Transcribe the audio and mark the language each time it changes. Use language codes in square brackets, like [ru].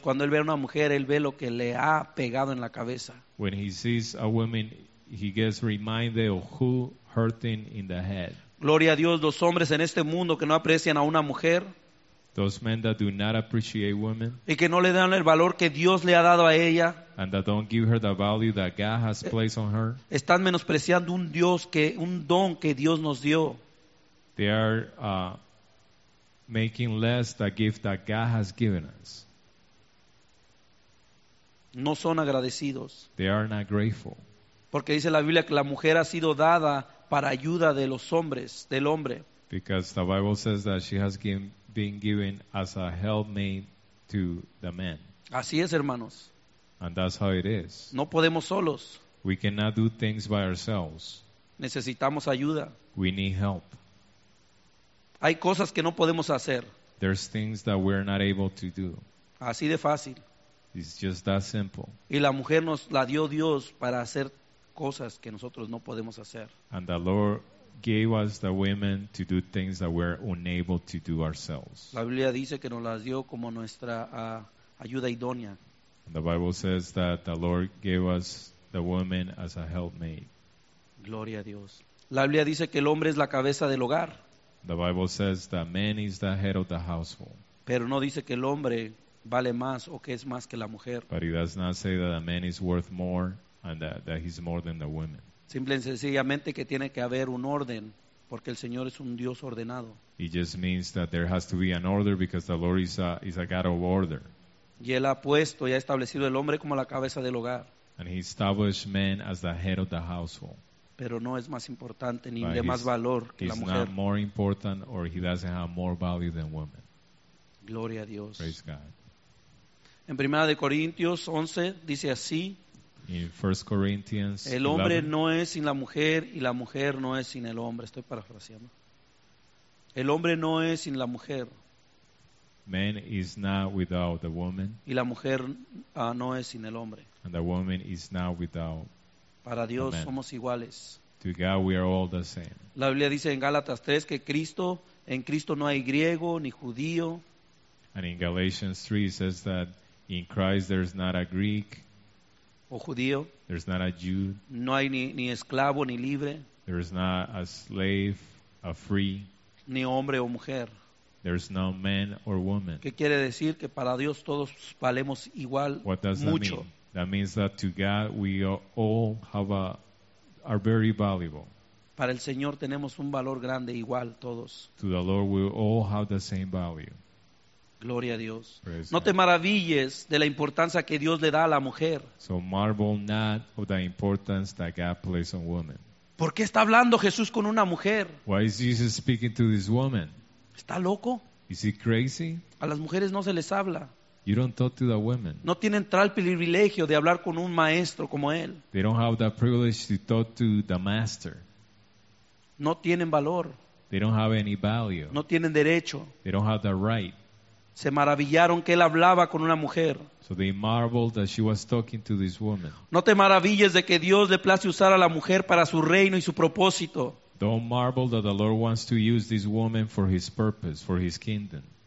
[es] Cuando él ve a una mujer, él ve lo que le ha pegado en la cabeza. [en] When he sees a woman, he gets reminded of who hurt him in the head. [es] Gloria a Dios. Los hombres en este mundo que no aprecian a una mujer. [en] Those men that do not appreciate women. [es] Y que no le dan el valor que Dios le ha dado a ella. [en] And that don't give her the value that God has placed on her. [es] Están menospreciando un don que Dios nos dio. [en] They are making less the gift that God has given us. [es] No son agradecidos. [en] They are not grateful. [es] Porque dice la Biblia que la mujer ha sido dada para ayuda de los hombres, del hombre. [en] Because the Bible says that she has been given as a helpmate to the man. [es] Así es, hermanos. [en] And that's how it is. [es] No podemos solos. [en] We cannot do things by ourselves. [es] Necesitamos ayuda. [en] We need help. [es] Hay cosas que no podemos hacer. [en] There's things that we're not able to do. [es] Así de fácil. [en] It's just that simple. [es] Y la mujer nos la dio Dios para hacer cosas que nosotros no podemos hacer. [en] And the Lord gave us the women to do things that we're unable to do ourselves. [es] La Biblia dice que nos las dio como nuestra ayuda idónea. [en] The Bible says that the Lord gave us the woman as a helpmate. [es] Gloria a Dios. La Biblia dice que el hombre es la cabeza del hogar. [en] The Bible says that man is the head of the household. [es] Pero no dice que el hombre vale más o que es más que la mujer. [en] But it does not say that a man is worth more and that he's more than the woman. [es] Simple y sencillamente que tiene que haber un orden Porque el Señor es un Dios ordenado. [en] It just means that there has to be an order because the Lord is a God of order. [es] Y él ha puesto y ha establecido el hombre como la cabeza del hogar. [en] And he established man as the head of the household. [es] Pero no es más importante ni de más valor que la mujer. [en] He's not more important or he doesn't have more value than women. [es] Gloria a Dios. [en] Praise God. [es] En Primera de Corintios 11 dice así. [en] In 1 Corinthians 11. [es] El hombre no es sin la mujer y la mujer no es sin el hombre. Estoy parafraseando. El hombre no es sin la mujer. [en] Man is not without the woman. [es] Y la mujer no es sin el hombre. [en] And the woman is not without the man. [es] Para Dios somos iguales. [en] To God we are all the same. [es] La Biblia dice en Gálatas 3 que Cristo, en Cristo no hay griego ni judío. [en] And in Galatians 3 it says that in Christ there's not a Greek. [es] O judío. [en] There's not a Jew. [es] No hay ni esclavo ni libre. [en] There is not a slave, a free. [es] Ni hombre o mujer. [en] There's no man or woman. [es] ¿Qué quiere decir? Que para Dios todos valemos igual mucho. [en] What does that mean? That means that to God we all are very valuable. [es] Para el Señor tenemos un valor grande igual todos. [en] To the Lord we all have the same value. [es] Gloria a Dios. No te maravilles de la importancia que Dios le da a la mujer. [en] So marvel not of the importance that God places on women. [es] ¿Por qué está hablando Jesús con una mujer? [en] Why is Jesus speaking to this woman? [es] ¿Está loco? [en] Is he crazy? [es] A las mujeres no se les habla. [en] You don't talk to the women. [es] No tienen tal privilegio de hablar con un maestro como él. [en] They don't have that privilege to talk to the master. [es] No tienen valor. [en] They don't have any value. [es] No tienen derecho. [en] They don't have the right. [es] Se maravillaron que él hablaba con una mujer. [en] So they marveled that she was talking to this woman. [es] No te maravilles de que Dios le place usar a la mujer para su reino y su propósito. [en] Don't marvel that the Lord wants to use this woman for his purpose, for his kingdom.